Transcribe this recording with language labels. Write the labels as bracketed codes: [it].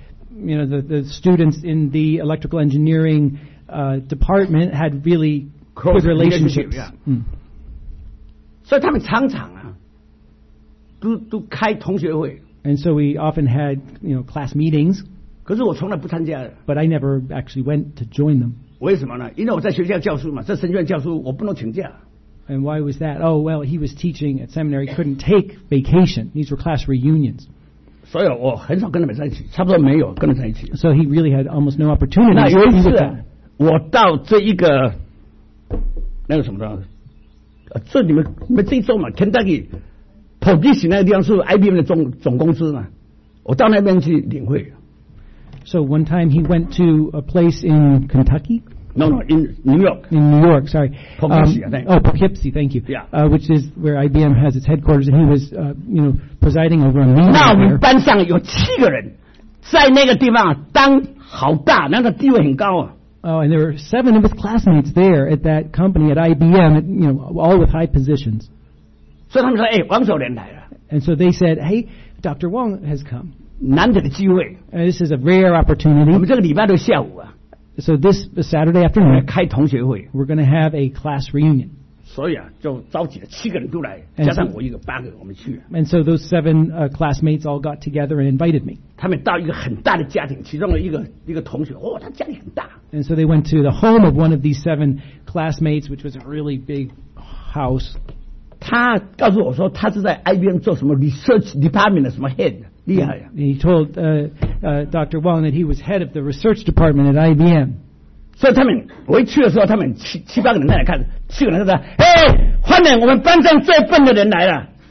[en] The students in the electrical engineering department had really good relationships. So they were [zh] 常常啊。都开同学会 [en] ，and so we often had class meetings. [zh] 可是我从来不参加的 [en] ，but I never actually went to join them. [zh] 为什么呢？因为我在学校教书嘛，在神学院教书，我不能请假。 [en] And why was that? Oh well, he was teaching at seminary, couldn't take vacation. These were class reunions. [zh] 所以我很少跟他们在一起，差不多没有跟他们在一起。 [en] So he really had almost no opportunity. [zh] 那有一次，我到这一个那个什么的，这你们这一周嘛 ，Kentucky。 [en] Position [zh] 那个地方是 IBM 的总公司嘛，我到那边去领会。 [en] So one time he went to a place in Kentucky. No, in New York. In New York, sorry. Poughkeepsie, I think. Oh, Poughkeepsie, thank you. Yeah. Which is where IBM has its headquarters, and he was, presiding over a meeting. [zh] 那我们班上有七个人在那个地方当好大，那个地位很高啊。 [en] Oh, and there were seven of his classmates there at that company at IBM, all with high positions. [zh] 所以他们说，哎，王守仁来了。 [en] And so they said, hey, Dr. Wang has come. [zh] 难得的机会。 [en] This is a rare opportunity. [zh] 我们这个礼拜六下午啊。 [en] So this Saturday afternoon, [zh] 我们开同学会。 [en] We're going to have a class reunion. [zh] 所以啊，就召集了七个人都来，加上我一个八个，我们去。 [en] And so those seven classmates all got together and invited me. [zh] 他们到一个很大的家庭，其中的一个同学，哦，他家里很大。 [en] And so they went to the home of one of these seven classmates, which was a really big house. [zh] 他告诉我说，他是在 IBM 做什么 [en] research department [zh] 的什么 head， 厉害呀、 [en] 啊。He told Dr. Wang that he was head of the research department at IBM。 [zh] 所以他们，我一去的时候，他们七八个人在那看，七个人在那，哎，欢迎我们班上最笨的人来了。